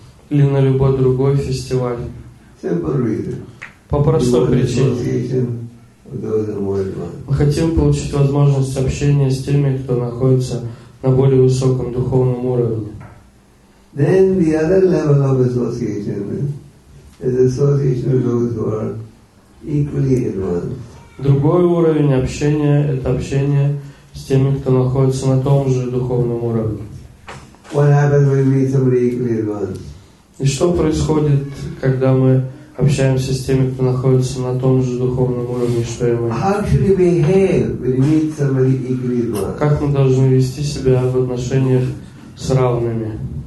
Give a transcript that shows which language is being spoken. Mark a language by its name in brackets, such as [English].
[Russian] Или на любой другой фестиваль? По простой причине. Мы хотим получить возможность общения с теми, кто находится на более высоком духовном уровне. [English] Then the other level of association is association with those who are equally advanced. [Russian] Другой уровень общения – это общение с теми, кто находится на том же духовном уровне. [English] What happens when we meet somebody equally advanced? [Russian] И что происходит, когда мы общаемся с теми, кто находится на том же духовном уровне, что и мы? [English] How should we behave when we meet somebody equally advanced? [Russian] Как мы должны вести себя в отношениях с равными?